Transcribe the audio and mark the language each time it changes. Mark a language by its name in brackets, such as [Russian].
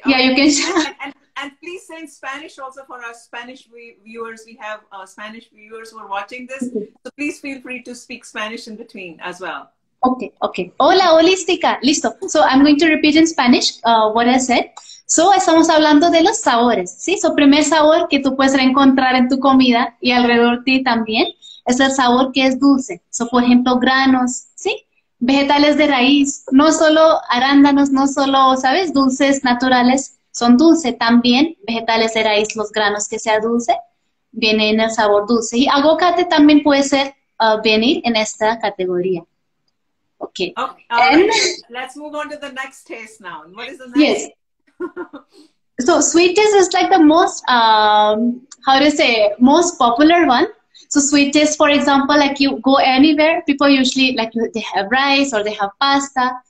[English] Okay. Yeah, you can... And please say in Spanish also for our Spanish viewers. We have Spanish viewers who are watching this. So please feel free to speak Spanish in between as well. [Spanish] Okay. Hola, holística. Listo. [English] So I'm going to repeat in Spanish what I said. [Spanish] So estamos hablando de los sabores, ¿sí? So primer sabor que tú puedes encontrar en tu comida y alrededor de ti también es el sabor que es dulce. So por ejemplo, granos, ¿sí? Vegetales de raíz, no solo arándanos, no solo, ¿sabes? Dulces naturales son dulce también. Vegetales de raíz, los granos que sea dulce, viene en el sabor dulce. Y aguacate también puede ser, venir en esta categoría. [English] Okay. Okay. All right. Let's move on to the next taste now. What is the next? Yes. So sweetest is like the most most popular one. So sweetest, for example, like you go anywhere, people usually like they have rice or they have pasta.